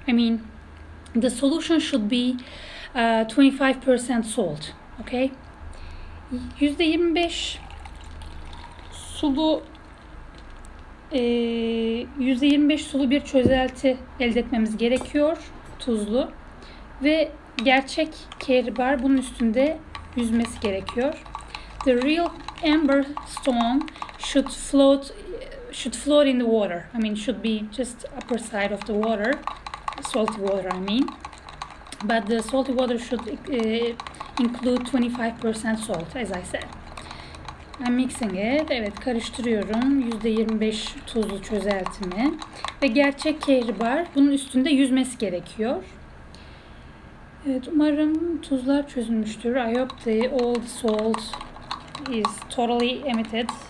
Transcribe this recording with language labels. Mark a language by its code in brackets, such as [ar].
[en] I mean, the solution should be 25% salt, okay? [tr] %25 sulu %25 sulu bir çözelti elde etmemiz gerekiyor, tuzlu. Ve gerçek kehribar bunun üstünde yüzmesi gerekiyor. [en] The real amber stone should float in the water. I mean, should be just upper side of the water, salty water. I mean, but the salty water should include 25% salt, as I said. I'm mixing it. [tr] Evet, karıştırıyorum. %25 tuzlu çözeltimi ve gerçek kehribar bunun üstünde yüzmesi gerekiyor. Evet, umarım tuzlar çözülmüştür. [en] I hope the old salt is totally emitted.